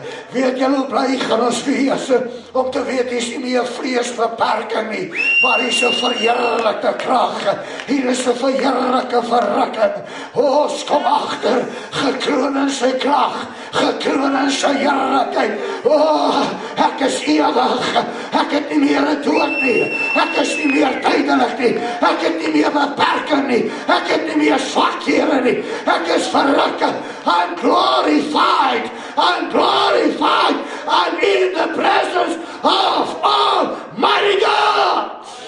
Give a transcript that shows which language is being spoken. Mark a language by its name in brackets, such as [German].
[Afrikaans] Weet julle hoe bly gaan ons wees, om te weet, hier is nie meer vleesbeperking nie, maar hier is een verheerlikte krag, hier is een verheerlike verrukking. Ons kom achter, gekroon in sy krag, gekroon in sy heerlikheid. Ek is ewig, ek het nie meer een dood nie, ek is nie meer tydelik nie, ek het nie meer beperking nie, ek het nie meer swakhede nie, ek is verrukking. [English] I'm glorified, I'm glorified, I'm in the presence of Almighty God.